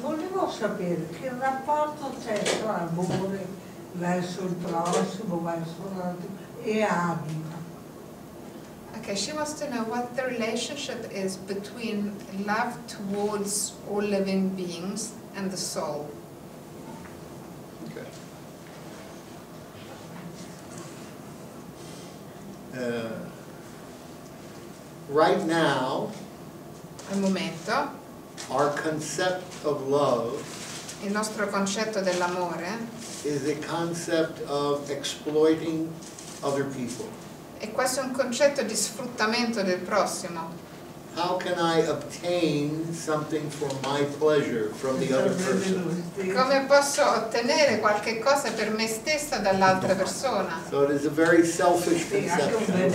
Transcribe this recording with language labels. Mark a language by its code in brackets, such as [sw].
[it] Volevo sapere che rapporto c'è tra amore verso il prossimo, verso l'altro, e anima. [en] Okay, she wants to know what the relationship is between love towards all living beings and the soul. Okay. Right now, [it] al momento, [en] our concept of love, [it] il nostro concetto dell'amore, [en] is a concept of exploiting other people. [it] E questo è un concetto di sfruttamento del prossimo. [en] How can I obtain something for my pleasure from the other person? [it] Come posso ottenere qualche cosa per me stessa dall'altra persona? [en] So it is a very selfish conception.